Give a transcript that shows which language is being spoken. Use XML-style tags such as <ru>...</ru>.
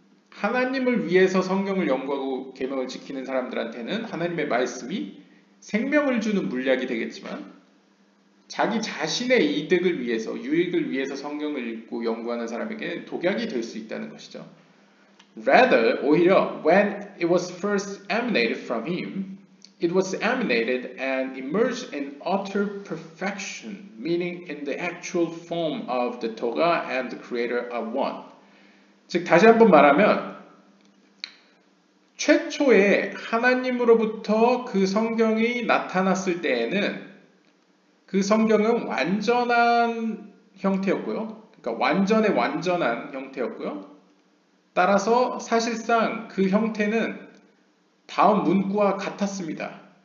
<ko>하나님을 위해서 성경을 연구하고 계명을 지키는 사람들한테는 하나님의 말씀이 생명을 주는 물약이 되겠지만 자기 자신의 이득을 위해서, 유익을 위해서 성경을 읽고 연구하는 사람에게 독약이 될 수 있다는 것이죠.</ko> <en>Rather,</en> <ko>오히려</ko> <en>when it was first emanated from him, it was emanated and emerged in utter perfection, meaning in the actual form of the Torah and the Creator are one.</en> <ko>즉 다시 한번 말하면 최초에 하나님으로부터 그 성경이 나타났을 때에는 그 성경은 완전한 형태였고요. 그러니까 완전의 완전한 형태였고요. 따라서 사실상 그 형태는 다음 문구와 같았습니다.</ko>